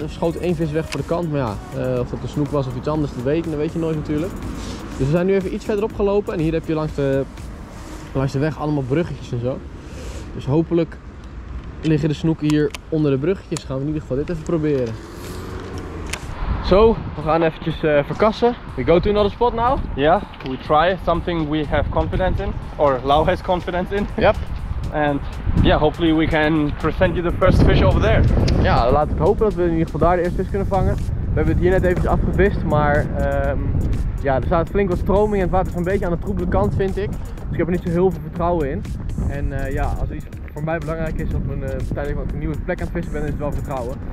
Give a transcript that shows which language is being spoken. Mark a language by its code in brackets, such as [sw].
[nl] Er schoot één vis weg voor de kant, maar ja, of dat een snoek was of iets anders, dat weet je nooit natuurlijk. Dus we zijn nu even iets verder opgelopen en hier heb je langs de weg allemaal bruggetjes en zo. Dus hopelijk liggen de snoeken hier onder de bruggetjes. Gaan we in ieder geval dit even proberen. Zo, we gaan eventjes verkassen. [en] We go to another spot now. Yeah, we try something we have confidence in. Or Lau has confidence in. Yep. And yeah, hopefully we can present you the first fish over there. [nl] Ja, laat ik hopen dat we in ieder geval daar de eerste vis kunnen vangen. We hebben het hier net eventjes afgevist, maar ja, er staat flink wat stroming en het water is een beetje aan de troebele kant, vind ik. Dus ik heb er niet zo heel veel vertrouwen in. En ja, als iets voor mij belangrijk is op een nieuwe plek aan het vissen ben, is het wel vertrouwen.